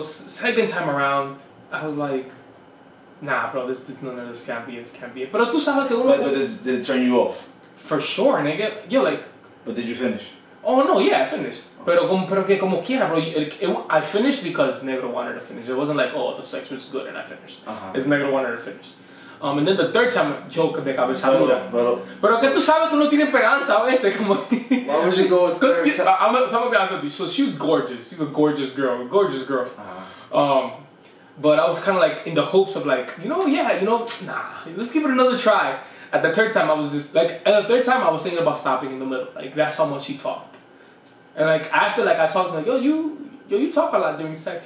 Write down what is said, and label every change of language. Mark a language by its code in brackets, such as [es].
[en] Second time around, I was like, nah, bro, this can't be it. [es] Pero tú sabes que uno... [en] But this did it turn you off? For sure, nigga. Yeah, like... But did you finish? Oh, no, yeah, I finished. Okay. [es] Pero que como quiera, [en] bro. I finished because negro wanted to finish. It wasn't like, oh, the sex was good and I finished. Uh-huh. It's negro wanted to finish. And then the third time, yo, [es] que de cabeza dura. Pero que tú sabes que no tiene esperanza a veces. Como... [en] Why would you go with third time? I'm going to be honest with you. So she was gorgeous. She's a gorgeous girl. Gorgeous girl. Uh-huh. But I was kind of like in the hopes of like, let's give it another try. At the third time, I was just like, at the third time, I was thinking about stopping in the middle. Like, that's how much she talked. And like, after, like, I talked, like, you talk a lot during sex.